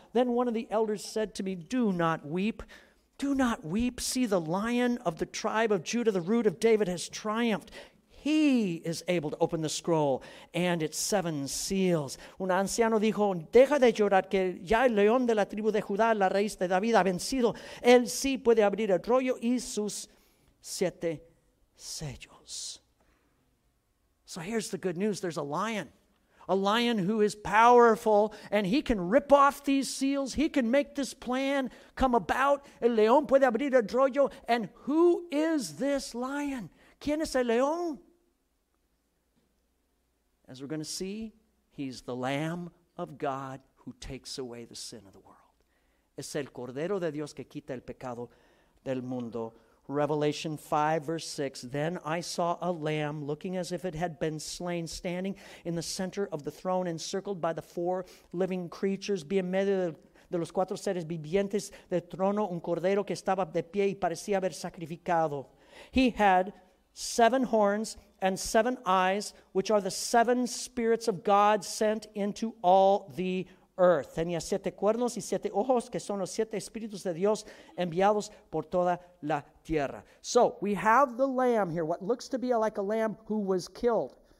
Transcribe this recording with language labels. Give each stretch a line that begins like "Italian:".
English: Then one of the elders said to me, do not weep. Do not weep. See, the Lion of the tribe of Judah, the Root of David, has triumphed. He is able to open the scroll and its seven seals.
Spanish: Un anciano dijo, deja de llorar, que ya el león de la tribu de Judá, la raíz de David, ha vencido. Él sí puede abrir el rollo y sus siete sellos.
English: So here's the good news. There's a lion. A lion who is powerful, and he can rip off these seals. He can make this plan come about.
Spanish: El león puede abrir el rollo.
English: And who is this lion?
Spanish: ¿Quién es el león?
English: As we're going to see, he's the Lamb of God who takes away the sin of the world.
Spanish: Es el Cordero de Dios que quita el pecado del mundo.
English: Revelation 5, verse 6, then I saw a lamb looking as if it had been slain, standing in the center of the throne, encircled by the four living creatures.
Spanish: Vi en medio de los cuatro seres vivientes del trono un cordero que estaba de pie y parecía haber sacrificado.
English: He had seven horns and seven eyes, which are the seven spirits of God sent into all the earth.
Spanish: Tenía siete cuernos y siete ojos, que son los siete espíritus de Dios enviados por toda la tierra.
English: So we have the lamb here, what looks to be like a lamb who was killed.